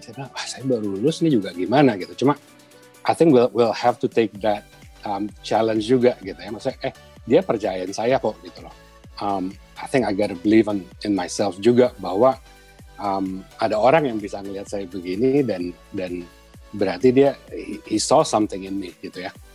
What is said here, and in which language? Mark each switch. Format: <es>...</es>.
<id>Saya bilang, wah saya baru lulus ini juga gimana gitu. Cuma</id> <en>I think we'll have to take that challenge</en> <id>juga gitu ya. Maksudnya dia percayain saya kok gitu loh.</id> <en>I think I gotta believe in myself</en> <id>juga bahwa ada orang yang bisa ngelihat saya begini dan berarti dia</id> <en>he saw something in me</en> <id>gitu ya.</id>